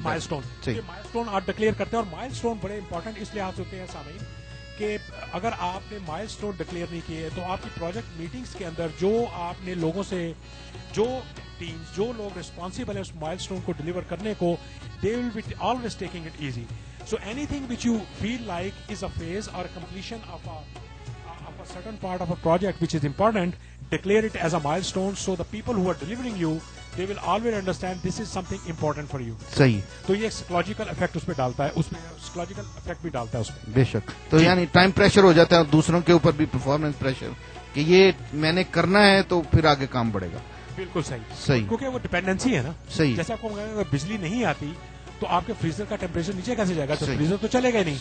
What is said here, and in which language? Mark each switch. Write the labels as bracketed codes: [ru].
[ur] مائل اسٹون, مائل اسٹون آپ ڈکلیئر کرتے ہیں, اور مائل اسٹون بڑے امپورٹنٹ اس لحاظ ہوتے ہیں سامعین کہ اگر آپ نے مائل اسٹون ڈکلیئر نہیں کیے تو آپ کی پروجیکٹ میٹنگس کے اندر جو آپ نے لوگوں سے, جو ٹیم, جو لوگ ریسپانسبل ہیں اس مائل اسٹون کو ڈلیور کرنے کو, [en] They will be always taking it easy. So anything which you feel like is a phase or completion of a certain part of a project which is important, declare it as a milestone, so the people who are delivering you they will always understand this is something important for you. [ur] صحیح, تو یہ ایک psychological effect اس پہ ڈالتا ہے, اس پہ psychological effect بھی ڈالتا ہے اس پہ, بے شک. تو یعنی ٹائم پریشر ہو جاتا ہے, دوسروں کے اوپر بھی پرفارمنس پریشر کہ یہ میں نے کرنا ہے تو پھر آگے کام بڑھے گا. بالکل صحیح صحیح, کیونکہ وہ ڈیپینڈنسی ہے نا. صحیح, جیسے آپ کو کہا اگر بجلی نہیں آتی تو آپ کے فریزر کا ٹیمپریچر نیچے کیسے جائے گا, تو فریزر تو چلے گا نہیں.